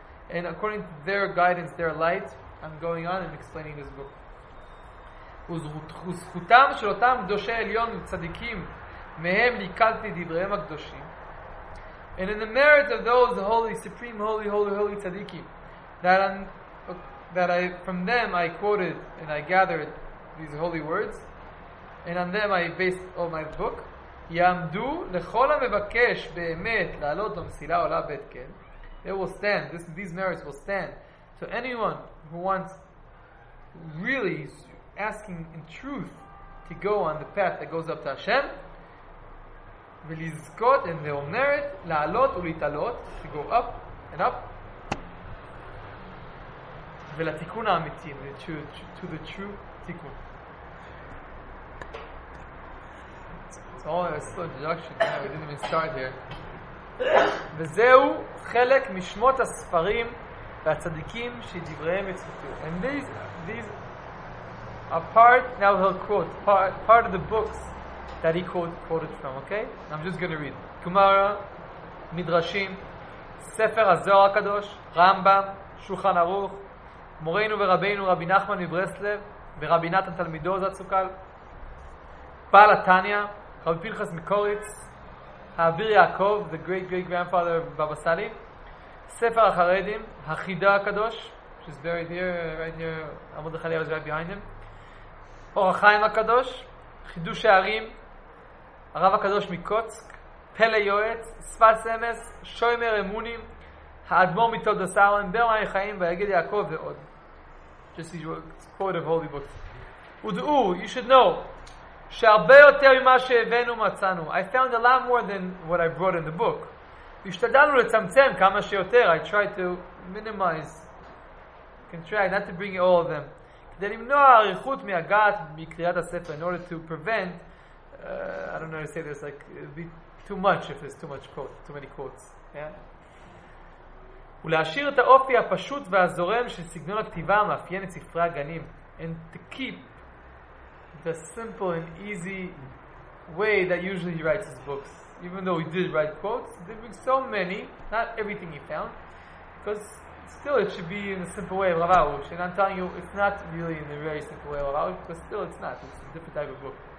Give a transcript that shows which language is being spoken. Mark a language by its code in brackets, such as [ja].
[en] And according to their guidance, their light, I'm going on and explaining this book. [he] וזכותם של אותם קדושי עליון וצדיקים, מהם ליקלתי דבריהם הקדושים. [en] And in the merit of those holy, supreme, holy, holy, holy tzaddikim, that I, from them I quoted and I gathered these holy words, and on them I based all my book, [he] Yamdu lechol ha-mevakesh be'emet la'alot l'msila ola betken. [en] They will stand, these merits will stand. So anyone who wants, really is asking in truth to go on the path that goes up to Hashem, ולזכות and they will merit [he] לעלות ולהתעלות [en] to go up and up [he] ולתיקון האמיתי [en] to the true תיקון. It's all a slow introduction. We didn't even start here. [he] וזהו חלק משמות הספרים והצדיקים שדבריהם יצוטו. [en] And these are part, now he'll quote part of the books that he quoted from, okay? I'm just going to read. Gemara, Midrashim, Sefer HaZohar HaKadosh, Rambam, Shulchan Aruch, Moreinu V'Rabbeinu, Rabbi Nachman Mibreslev, V'Rabbi Natan Talmido Zatzukal, Baal HaTanya, Rabbi Pinchas Mikoritz, Ha'avir Yaakov, the great-great-grandfather of Baba Sali, Sefer HaCharedim, Hachida HaKadosh, which is buried here, right here, Amud HaChaliyah was right behind him, Or HaChaim HaKadosh, חידוש הערים, הרב הקדוש מקוצק, פלא יועץ, שפת סמס, שוימר אמונים, האדמו"ר מתולדות אהרן, ברמי חיים, ויגד יעקב ועוד. Just a quote of holy books. [he] ודעו, [en] you should know, [he] שהרבה יותר ממה שהבאנו מצאנו. [en] I found a lot more than what I brought in the book. [he] השתדלנו לצמצם כמה שיותר. [en] I tried to minimize, contract, not to bring all of them. [he] כדי למנוע עריכות מהגעת מקריאת הספר, [en] in order to prevent, I don't know how to say this, like, it'd be too much if there's too much quotes, too many quotes. Yeah? [he] ולהשאיר את האופי הפשוט והזורם של סגנון הכתיבה המאפיין את ספרי הגנים. [en] And to keep the simple and easy way that usually he writes his books. Even though he did write quotes, there were so many, not everything he found, Because still it should be in a simple way, Lavaluch. And I'm telling you, it's not really in a very simple way, Lavaluch, because still it's not. It's a different type of book.